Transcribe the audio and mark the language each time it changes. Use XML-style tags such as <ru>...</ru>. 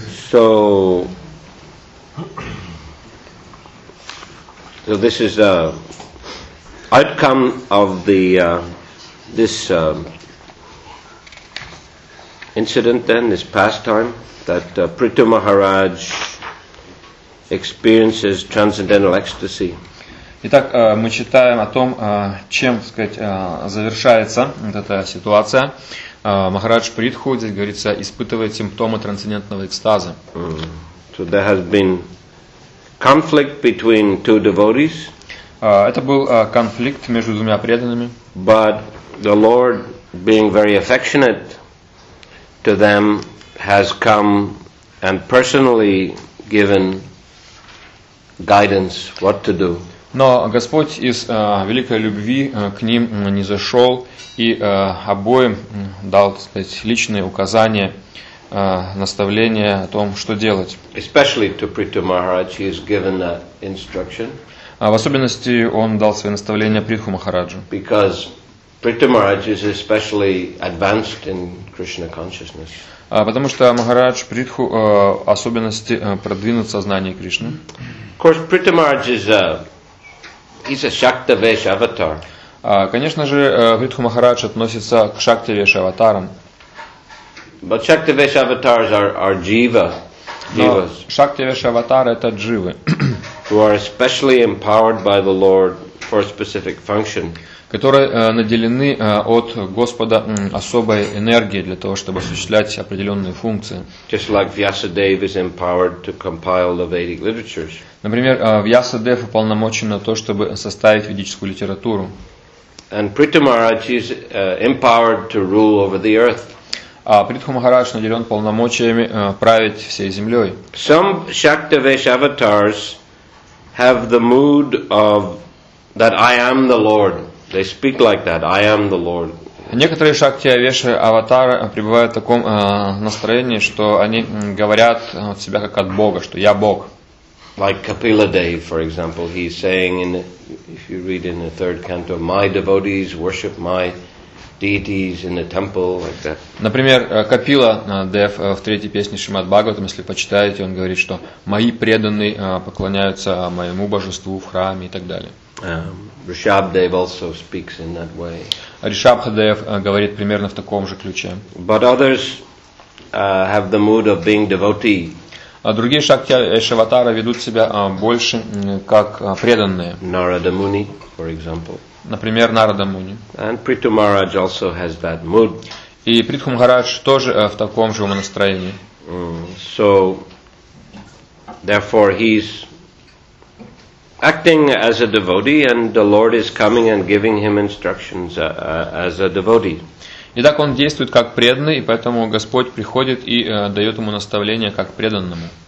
<en>So, so this is the outcome of the this incident then, this pastime, that Prithu Maharaj experiences transcendental ecstasy.</en> <ru>Итак, мы читаем о том, чем, так сказать, завершается вот эта ситуация. Махарадж Притху, здесь говорится, испытывает симптомы трансцендентного экстаза.</ru> <en>So there has been conflict between two devotees.</en> <ru>Это был конфликт между двумя преданными.</ru> <en>But the Lord, being very affectionate to them, has come and personally given guidance what to do.</en> <ru>Но Господь из великой любви к ним не зашел и обоим дал, так сказать, личные указания, наставления о том, что делать.</ru> <en>Especially to Prithu Maharaj, he is given that instruction.</en> <ru>В особенности он дал свои наставления Притху Махараджу.</ru> <en>Because Prithu Maharaj is especially advanced in Krishna consciousness.</en> <ru>Потому что Махарадж Притху особенности продвинут сознание Кришны.</ru> <en>Of course, Prithu Maharaj is He's a Shaktavesh avatar.</en> <ru>Конечно же, Притху Махарадж относится к Шактавеш аватарам.</ru> <en>But Shaktavesh avatars are jiva, jivas.</en> <ru>Шактавеш аватары — это дживы.</ru> <en>Who are especially empowered by the Lord for a specific function.</en> <ru>Которые наделены от Господа особой энергией для того, чтобы осуществлять определенные функции.</ru> <en>Just like Vyasadeva is empowered to compile the Vedic literatures.</en> <ru>Например, Вьясадев уполномочен на то, чтобы составить ведическую литературу.</ru> <en>And Prithu Maharaj is empowered to rule over the earth.</en> <ru>А Притху Махарадж наделен полномочиями править всей землей.</ru> <en>Some Shaktavesh avatars have the mood of that I am the Lord. They speak like that. I am the Lord.</en> <ru>Некоторые Шактавеши аватары пребывают в таком настроении, что они говорят от себя как от Бога, что я Бог.</ru> <en>Like Kapila Dev, for example, he's saying in, if you read in the third canto, my devotees worship my deities in the temple, like that.</en> <ru>Например, Kapila Dev в третьей песне Шримад Бхагаватам, если почитаете, он говорит, что мои преданные поклоняются моему божеству в храме и так далее.</ru> <en>Rishabh Dev also speaks in that way.</en> <ru>Rishabh Dev говорит примерно в таком же ключе.</ru> <en>But others have the mood of being devotee.</en> <ru>Другие Шактавеши аватары ведут себя больше как преданные.</ru> <en>Narada Muni, for example.</en> <ru>Например, Narada Muni.</ru> <en>And Prithu Maharaj also has that mood.</en> <ru>И Притху Махарадж тоже в таком же умонастроении.</ru> <en>So, therefore, he's acting as a devotee, and the Lord is coming and giving him instructions as a devotee.</en> <ru>Итак, он действует как преданный, и поэтому Господь приходит и дает ему наставления как преданному.</ru>